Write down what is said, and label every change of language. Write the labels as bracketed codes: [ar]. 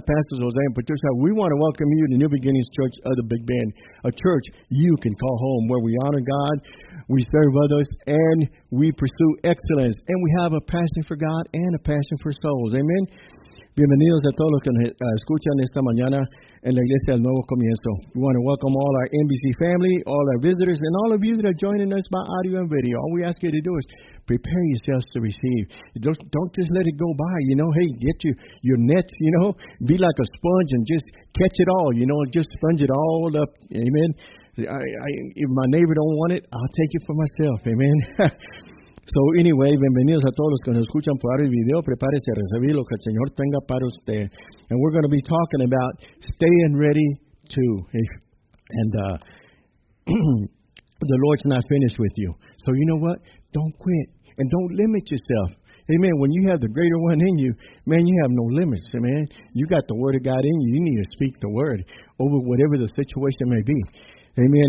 [en] Pastors Jose and Patricia, we want to welcome you to New Beginnings Church of the Big Bend, a church you can call home where we honor God, we serve others, and we pursue excellence. And we have a passion for God and a passion for souls. Amen. [es] Bienvenidos a todos los que escuchan esta mañana en la Iglesia del Nuevo Comienzo. [en] We want to welcome all our NBC family, all our visitors, and all of you that are joining us by audio and video. All we ask you to do is prepare yourselves to receive. Don't just let it go by, you know. Hey, get your nets, you know. Be like a sponge and just catch it all, you know. Just sponge it all up. Amen. If my neighbor don't want it, I'll take it for myself. Amen. So anyway, [es] bienvenidos a todos los que nos escuchan por el video. Prepárese a recibir lo que el Señor tenga para usted. [en] And we're going to be talking about staying ready to. And the Lord's not finished with you. So you know what? Don't quit. And don't limit yourself. Amen. When you have the greater one in you, man, you have no limits. Amen. You got the Word of God in you. You need to speak the Word over whatever the situation may be. Amen.